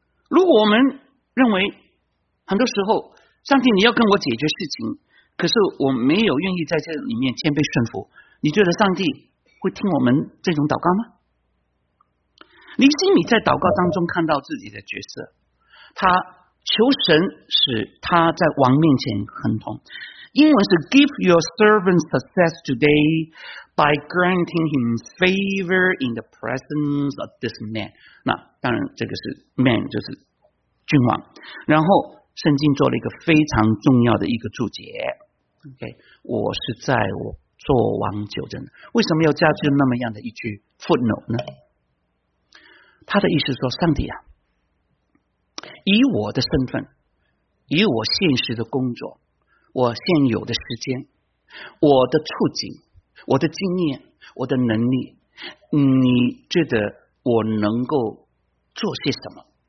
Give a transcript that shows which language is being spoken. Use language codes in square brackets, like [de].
[zh] 如果我们认为很多时候上帝你要跟我解决事情，可是我没有愿意在这里面谦卑顺服，你觉得上帝会听我们这种祷告吗？尼西米在祷告当中看到自己的角色，他求神使他在王面前亨通。英文是 [en] Give your servant success today by granting him favor in the presence of this man。 [zh] 那当然这个是 man 就是君王。然后圣经做了一个非常重要的一个注解， OK， 我是在我做王久的，为什么要加入那么样的一句 footnote 呢？他的意思说，上帝啊，以我的身份，以我现实的工作，我现有的时间，我的处境，我的经验，我的能力，你觉得我能够做些什么？